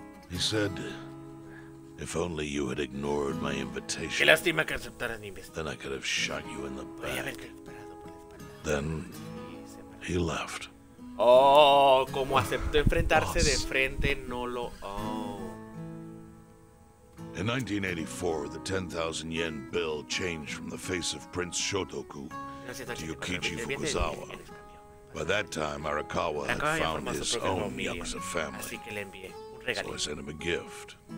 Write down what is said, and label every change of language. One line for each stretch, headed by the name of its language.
English: He said, if only you had ignored my invitation, then I could have shot you in the back. Then he left.
Spanish: Oh, como aceptó enfrentarse de frente, no lo. Oh.
English: In 1984, the 10,000 yen bill changed from the face of Prince Shotoku to Yukichi Fukuzawa. By that time, Arakawa had found his own Yakuza family, so I sent him a gift.